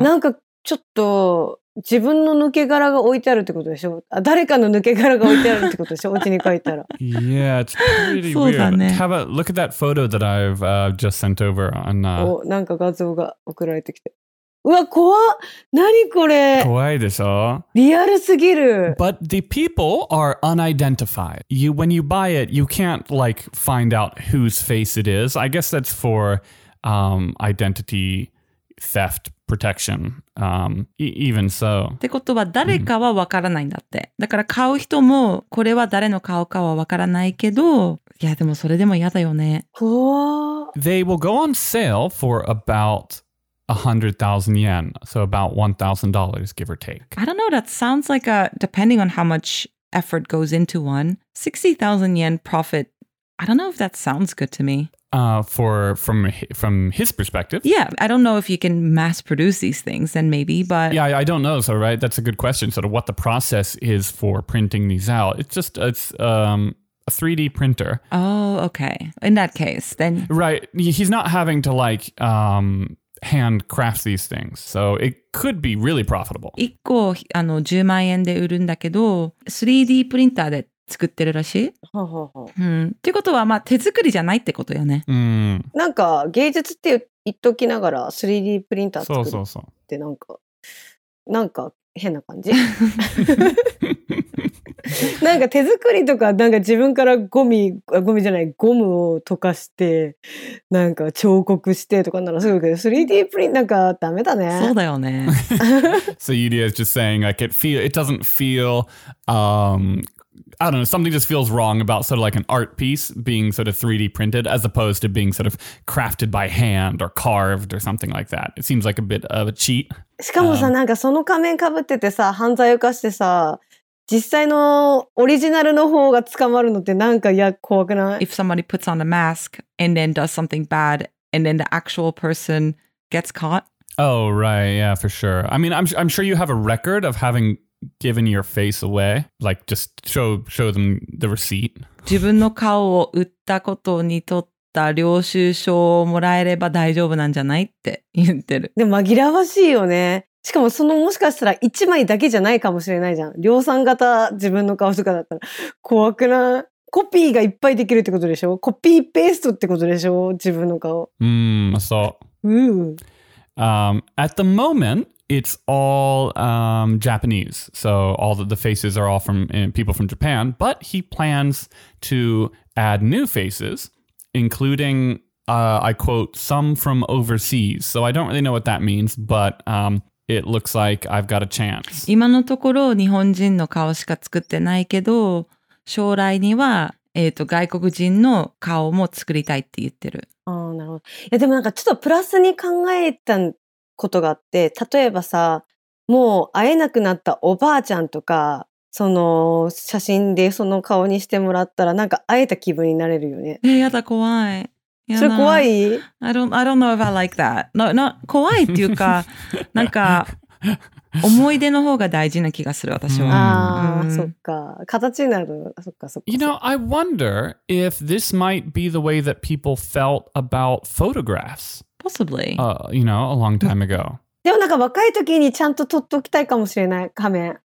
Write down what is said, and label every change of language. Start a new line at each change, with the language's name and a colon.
Japanese: なんかちょっと自分の抜け殻が置いてあるってことでしょ? 誰かの抜け殻が置いてあるってことでしょ?お家に帰ったら。
English: Yeah, it's pretty weird.
Japanese: そうだね。
English: Have a look at that photo that I've just sent over on,
Japanese: なんか画像が送られてきて。うわ、怖っ!何これ! 怖いでしょ? リアルすぎる!
English: But the people are unidentified. When you buy it, you can't like find out whose face it is. I guess that's for... identity theft protection. Even so.
Japanese: ってことは誰かはわからないんだって。だから買う人もこれは誰の顔かはわからないけど、いやでもそれでも嫌だよね。怖っ。
English: They will go on sale for about 100,000 yen. So about $1,000, give or take. I don't know. That sounds like a, depending on how much effort goes into one, 60,000 yen profit. I don't know if that sounds good to me. From his perspective. Yeah, I don't know if you can mass produce these things, then maybe, but... Yeah, I don't know, so, right? That's a good question, sort of what the process is for printing these out. It's just, a 3D printer. Oh, okay. In that case, then... Right. He's not having to, like, hand craft these things, so it could be really profitable.
Japanese: 1個、あの、10万円で売るんだけど、3D プリンターで作ってるらしい。ほうほうほう。うん。ってことは、まあ、手作りじゃないってことよね。なんか芸術って言っときながら 3D プリンター作るってなんか、なんか変な感じ。なんか手作りとかなんか自分からゴミじゃないゴムを溶かしてなんか彫刻してとかならすごいけど 3D プリンなんかダメだね。そうだよね。
English: So Yulia is just saying like it doesn't feel I don't know, something just feels wrong about sort of like an art piece being sort of 3D printed as opposed to being sort of crafted by hand or carved or something like that. It seems like a bit of a cheat.
Japanese: しかもさ、なんかその仮面かぶっててさ、犯罪を犯してさ、実際のオリジナルの方が捕まるのってなんかいや、怖くない?
English: If somebody puts on a mask and then does something bad and then the actual person gets caught. Oh, right. Yeah, for sure. I mean, I'm sure you have a record of having... Given your face away, like just show them the receipt.
Japanese: 自分の顔を売ったことに取った領収書をもらえれば大丈夫なんじゃないって言ってる。でも紛らわしいよね。しかもそのもしかしたら一枚だけじゃないかもしれないじゃん。量産型自分の顔とかだったら怖くない？コピーがいっぱいできるってことでしょ？コピーペーストってことでしょ？自分の顔。
English: そう。At the moment. It's all Japanese, so all the faces are all from people from Japan, but he plans to add new faces, including, I quote, some from overseas. So I don't really know what that means, but it looks like I've got a chance.
Japanese: 今のところ日本人の顔しか作ってないけど、将来には外国人の顔も作りたいって言ってる。あー、なるほど。いや、でもなんかちょっとプラスに考えたんことがあって、例えばさ、もう会えなくなったおばあちゃんとか、その写真でその顔にしてもらったら、なんか会えた気分になれるよね。やだ、怖い。いや、それ怖い？
English: I don't know if I like that.
Japanese: No, 怖いっていうか、なんか思い出の方が大事な気がする、私は。ああ、そっか。形になる。そっか、そっか。
English: You know, I wonder if this might be the way that people felt about photographs. Possibly. You know, a long time ago.
Japanese: でもなんか若い時にちゃんと撮っときたいかもしれない、仮面。